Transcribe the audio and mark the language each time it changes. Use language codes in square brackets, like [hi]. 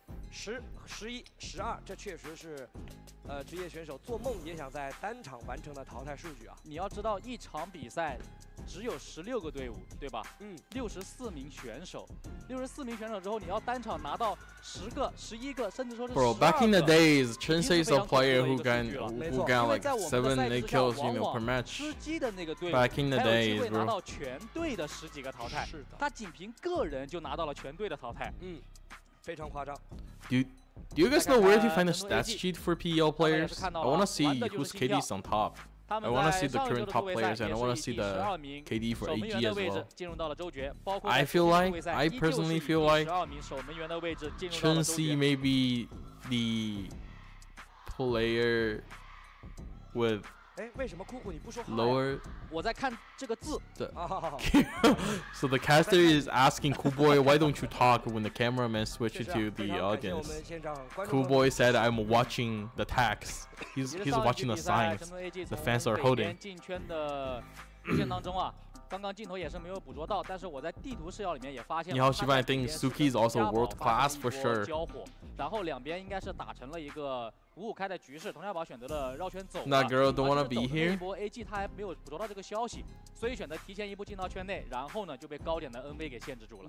[zh] 十、十一、十二，这确实是，职业选手做梦也想在单场完成的淘汰数据啊！你要知道，一场比赛只有十六个队伍，对吧？嗯。 64名选手之后，你要单场拿到十个、十一个，甚至说是十二个。 [en] Bro, back in the days, Chen-C is a player who got like 7-8 kills, you know, per match. [zh] 吃鸡的那个队伍。 [en] Back in the days, bro. [zh] 还有机会拿到全队的十几个淘汰。是的。他仅凭个人就拿到了全队的淘汰。嗯。非常夸张。 [en] Do you guys know where to find the stat sheet for PEL players? I want to see who's KD's on top. [zh] 他们在上一周的突围赛也是以第十二名守门员的位置进入到了周决，包括今天的突围赛依旧是以第十二名守门员的位置进入到了周决。 [en] Chun Si may be the player with [zh] 哎，为什么酷酷你不说 [en] lower？ [zh] 我在看这个字。 [en] So the caster is asking Cool Boy, why don't you talk when the cameraman switches to the audience? Cool Boy said, I'm watching the tags. He's watching the signs the fans are holding. [zh] 进圈的过程当中啊，刚刚镜头也是没有捕捉到，但是我在地图视角里面也发现。你好，西班牙 [en] ，I think Suki is also world class for sure. [zh] 交火，然后两边应该是打成了一个五五开的局势。佟家宝选择了绕圈走。 [en] That girl don't wanna be here. [zh] 那一波 AG 他还没有捕捉到这个消息，所以选择提前一步进到圈内，然后呢就被高点的 NV 给限制住了。